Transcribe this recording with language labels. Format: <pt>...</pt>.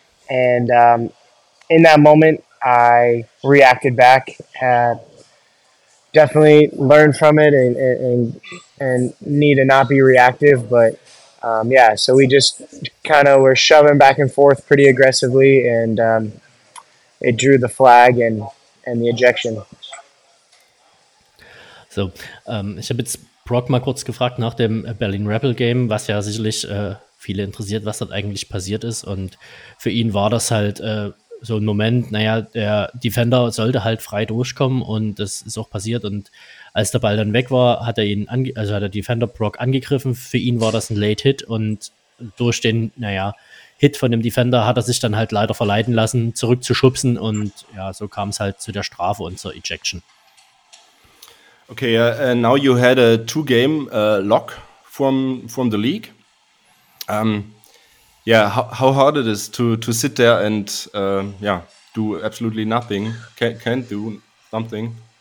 <en>And in that moment, I reacted back, had definitely learned from it and need to not be reactive. But so we just kind of were shoving back and forth pretty aggressively, and it drew the flag and the ejection.</en> <de>So, ich habe jetzt Brock mal kurz gefragt nach dem Berlin Rebel Game, was ja sicherlich viele interessiert, was dort eigentlich passiert ist. Und für ihn war das halt so ein Moment, der Defender sollte halt frei durchkommen und das ist auch passiert. Und als der Ball dann weg war, hat der Defender Brock angegriffen. Für ihn war das ein Late Hit und durch den, Hit von dem Defender hat er sich dann halt leider verleiten lassen, zurückzuschubsen. Und ja, so kam es halt zu der Strafe und zur Ejection.</de> <en>Okay, now you had a two-game lock from the league. How hard it is to sit there and do absolutely nothing, can't do something?</en>